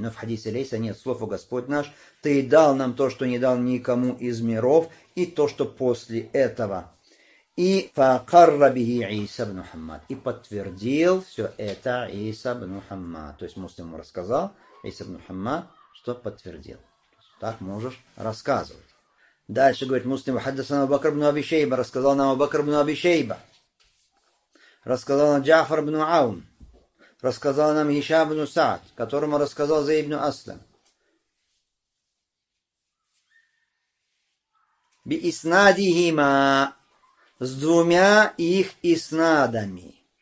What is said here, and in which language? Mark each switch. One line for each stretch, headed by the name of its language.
Russian: Но в хадисе Лейса нет слов, о Господь наш, ты дал нам то, что не дал никому из миров, и то, что после этого.
Arabic: И فَقَرَّ بِهِ عِيسَ بْنُ حَمَّدْ.
Russian: И подтвердил все это Иса бин Хаммад. То есть муслим рассказал Иса бин Хаммад, что подтвердил. Так можешь рассказывать. Дальше говорит муслим,
Arabic: حَدَّثَنَا بَكْرُ بْنُ أَبِي شَيْبَةَ.
Russian: Рассказал нам Абубакр бин Аби Шейба. Рассказал нам Джафар бин Аун. Рассказал нам Хишам бин Саад, которому рассказал Зейд бин Аслам.
Arabic: Би иснадихима,
Russian: с двумя их иснадами.